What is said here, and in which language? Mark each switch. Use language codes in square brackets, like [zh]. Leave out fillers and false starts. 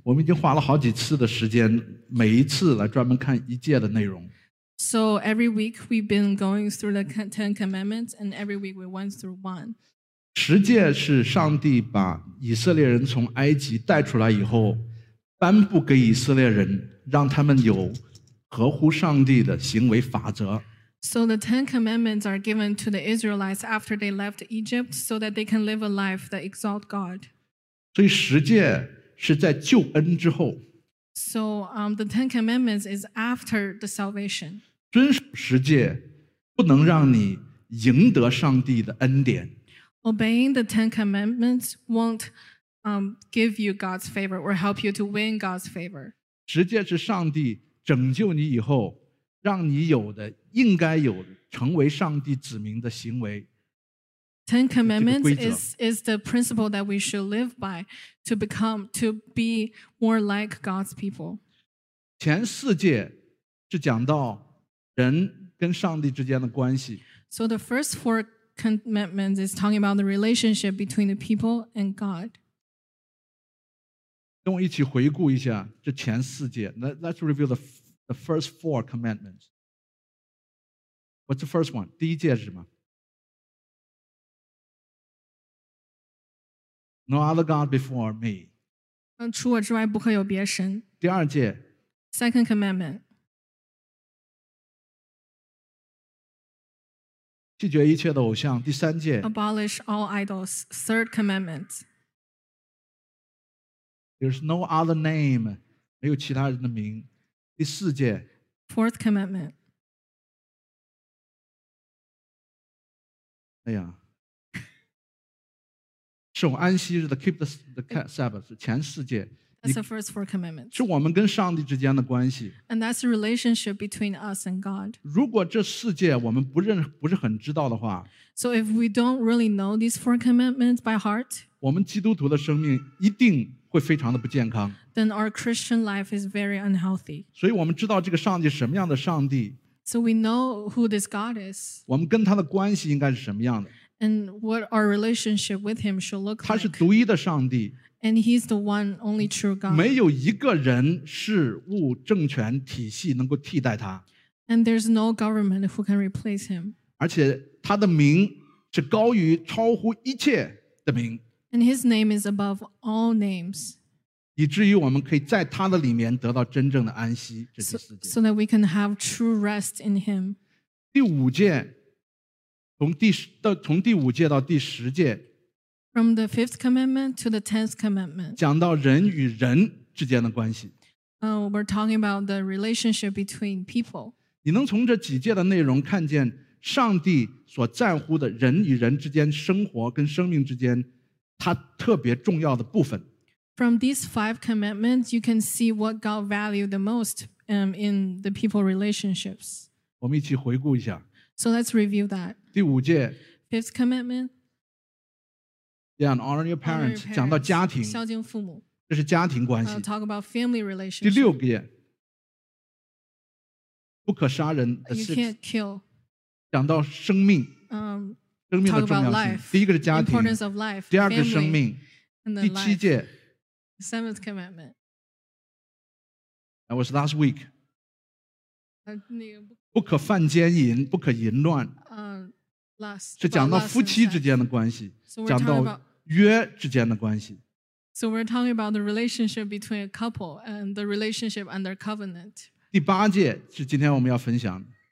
[zh] 我们已经花了好几次的时间，每一次来专门看一诫的内容。 [en] So every week we've been going through the Ten Commandments, and every week we went through one. [zh] 十诫是上帝把以色列人从埃及带出来以后，颁布给以色列人，让他们有合乎上帝的行为法则。 [en] So the Ten Commandments are given to the Israelites after they left Egypt so that they can live a life that exalt God. [zh] 所以十诫是在救恩之后。 [en] So the Ten Commandments is after the salvation. [zh] 遵守十诫不能让你赢得上帝的恩典。 [en] Obeying the Ten Commandments won't give you God's favor or help you to win God's favor. [zh] 十诫是上帝拯救你以后让你有的应该有成为上帝子民的行为。 [en] Ten Commandments is the principle that we should live by to be more like God's people. [zh] 前四诫是讲到人跟上帝之间的关系。 [en] So the first four commandments is talking about the relationship between the people and God. [zh] 跟我一起回顾一下这前四诫。 [en] Let's review the first four commandments. What's the first one? [zh] 第一诫是什么？ [en] No other God before me. [zh] 除我之外不可有别神。第二诫。 [en] Second commandment. [zh] 拒绝一切的偶像。第三诫。 [en] Abolish all idols. Third commandment. There's no other name. [zh] 没有其他人的名。第四诫 [en] Fourth commandment. [zh] 哎呀，守安息日的 [en] keep the Sabbath [zh] 是前四诫。 [en] That's the first four commandments. [zh] 是我们跟上帝之间的关系。 [en] And that's the relationship between us and God. [zh] 如果这四诫我们不是很知道的话 [en] ，So if we don't really know these four commandments by heart, [zh] 我们基督徒的生命一定。会非常的不健康。 [en] Then our Christian life is very unhealthy. [zh] 所以我们知道这个上帝什么样的上帝。 [en] So we know who this God is. [zh] 我们跟他的关系应该是什么样的。 [en] And what our relationship with him should look like. [zh] 他是独一的上帝。 [en] And he's the one only true God. [zh] 没有一个人、事物、政权、体系能够替代他。 [en] And there's no government who can replace him. [zh] 而且他的名是高于、超乎一切的名。 [en] And his name is above all names. [zh] 以至于我们可以在他的里面得到真正的安息。这第四诫。 [en] So that we can have true rest in him. [zh] 第五诫，从第五诫到第十诫。 [en] From the fifth commandment to the tenth commandment. [zh] 讲到人与人之间的关系。 [en] We're talking about the relationship between people. [zh] 你能从这几诫的内容看见上帝所在乎的人与人之间生活跟生命之间他特别重要的部分。 [en] From these five commandments, you can see what God values the most in the people relationships. [zh] 我们一起回顾一下。 [en] So let's review that. [zh] 第五诫。 [en] Fifth commandment. Yeah, and honor your parents. [zh] 讲到家庭。孝敬父母。这是家庭关系。 [en] Talk about family relationships. [zh] 第六诫。不可杀人的事情。 [en] You can't kill. [zh] 讲到生命。生命的重要性。第一个是家庭。 [en] Importance of life. [zh] 第二个是生命。第七戒。 [en] Seventh commandment. That was last week. [zh] 不可犯奸淫，不可淫乱。是讲到夫妻之间的关系，讲到约之间的关系。 [en] So we're talking about the relationship between a couple and the relationship under covenant. [zh] 第八戒是今天我们要分享的。